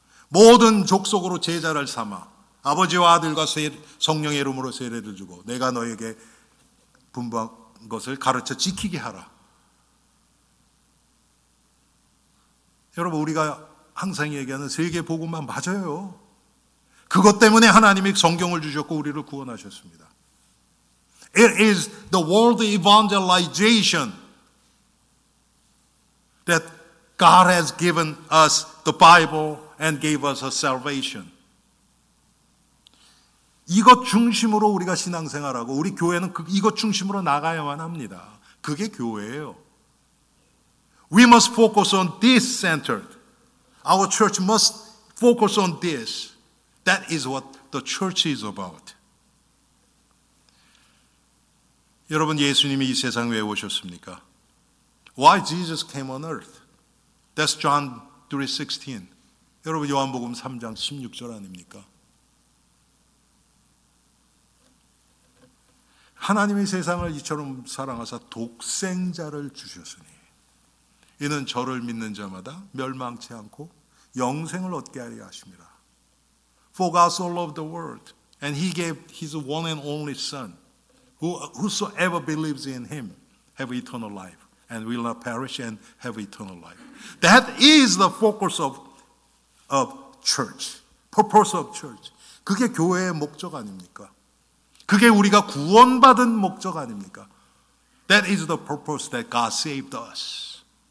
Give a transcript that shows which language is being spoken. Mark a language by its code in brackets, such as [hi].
[ko] 모든 족속으로 제자를 삼아 아버지와 아들과 성령의 이름으로 세례를 주고 내가 너에게 분부한 것을 가르쳐 지키게 하라. 여러분, 우리가 항상 얘기하는 세계 복음만 맞아요. 그것 때문에 하나님이 성경을 주셨고 우리를 구원하셨습니다. [en] It is the world evangelization that God has given us the Bible and gave us a salvation. [ko] 이것 중심으로 우리가 신앙생활하고 우리 교회는 이것 중심으로 나가야만 합니다. 그게 교회예요. [en] We must focus on this center. Our church must focus on this. That is what the church is about. [ko] 여러분, 예수님이 이 세상 왜 오셨습니까? [en] Why Jesus came on earth? That's John 3:16. [ko] 여러분, 요한복음 3장 16절 아닙니까? 하나님이 세상을 이처럼 사랑하사 독생자를 주셨으니 이는 저를 믿는 자마다 멸망치 않고 영생을 얻게 하려 하심이라. [en] For God so loved the world, and he gave his one and only son, whosoever believes in him have eternal life, and will not perish and have eternal life. That is the focus of church, purpose of church. [ko] 그게 교회의 목적 아닙니까? 그게 우리가 구원받은 목적 아닙니까? [en] That is the purpose that God saved us.